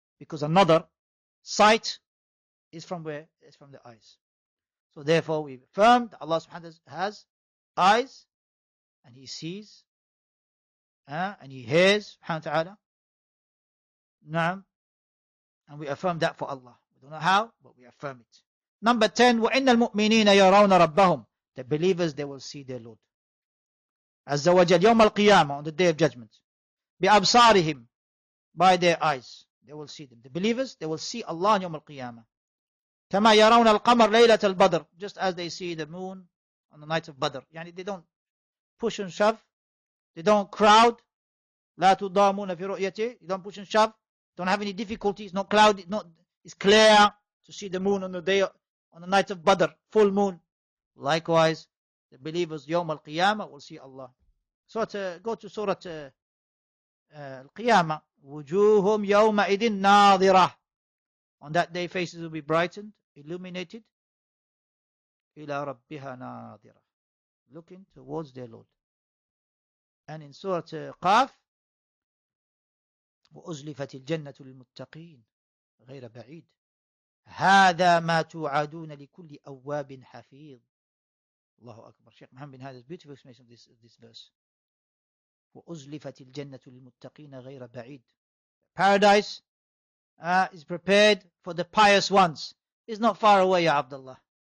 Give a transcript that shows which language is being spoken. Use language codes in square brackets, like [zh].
[en] Because another sight is from where? It's from the eyes. So therefore, we affirm that Allah subhanahu wa ta'ala has eyes, and he sees, and he hears, subhanahu wa ta'ala, [ar] نعم. [en] And we affirm that for Allah. We don't know how, but we affirm it. Number 10, [ar] وَإِنَّ الْمُؤْمِنِينَ يَرَوْنَ رَبَّهُمْ. [en] The believers, they will see their Lord. [ar] عز وجل يوم القيامة, [en] on the day of judgment. [ar] بِأَبْصَارِهِمْ, [en] by their eyes. They will see them. The believers, they will see Allah [ar] يوم القيامة. كَمَا يَرَوْنَ الْقَمَرْ لَيْلَةَ الْبَدْرِ. [en] Just as they see the moon on the night of Badr. [ar] يعني [en] they don't push and shove. They don't crowd. [ar] لا تضامون في رؤيته. [en] You don't push and shove. Don't have any difficulties. Not cloudy. Not, it's clear to see the moon on the day, on the night of Badr, full moon. Likewise, the believers, [ar] يوم القيامة, [en] will see Allah. So go to Surah Al-Qiyamah. [ar] وجوههم يومئذ ناظرة. [en] On that day, faces will be brightened, illuminated. [ar] إلى ربها ناظرة. [en] Looking towards their Lord. And in Surah Qaf, [ar] وأزلفت الجنة للمتقين غير بعيد هذا ما توعدون لكل أواب حفيظ. الله أكبر. شيخ محمد بن هذا [en] is beautiful explanation of this verse. [ar] وأزلفت الجنة للمتقين غير بعيد. [en] Paradise is prepared for the pious ones. It's not far away, [ar] يا عبد الله.